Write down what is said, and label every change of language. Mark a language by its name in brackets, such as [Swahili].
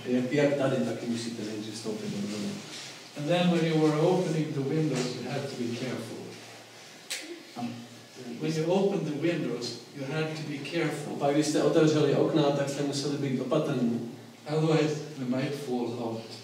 [Czech] Jak tady, taky musíte nejdřív vstoupit do domu. [English] And then when you were opening the windows, you had to be careful. When you open the windows, you had to be careful. [Czech] A pak když jste otevřeli okna, tak jste museli být opatrný. [English] Otherwise, we might fall out.